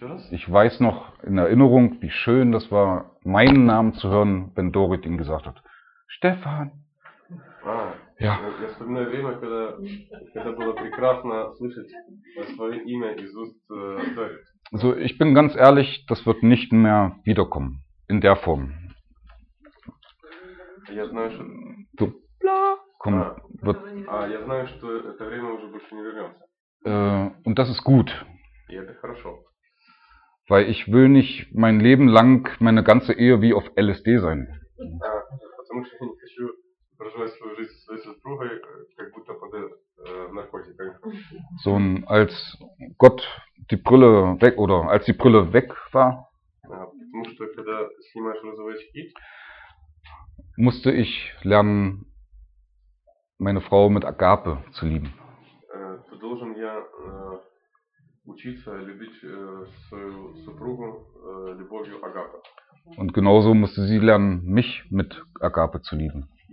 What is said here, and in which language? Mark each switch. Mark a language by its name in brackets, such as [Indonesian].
[German] Ich weiß noch in Erinnerung, wie schön das war, meinen Namen zu hören, wenn Dorit ihm gesagt hat, Stefan. Ja. [Russian] Я вспоминаю время, когда было прекрасно слышать свое имя из уст Dorit. [German] So, ich bin ganz ehrlich, das wird nicht mehr wiederkommen in der Form. [Russian] Я знаю, что [German] du... Komm, wird... [Russian] я знаю, что это время уже больше не вернется. [German] Und das ist gut. [Russian] И это хорошо. [German] Weil ich will nicht mein Leben lang meine ganze Ehe wie auf LSD sein. [Russian] Потому что я не хочу проживать свою жизнь со своей супругой, как будто под наркотиками. [German] So, als Gott die Brille weg, oder als die Brille weg war, [Russian] потому что когда снимаешь розовые очки, [German] musste ich lernen, meine Frau mit Agape zu lieben. [Russian] Du должен я учиться любить свою супругу любовью Агапы. [German] Und genauso musste sie lernen, mich mit Agape zu lieben.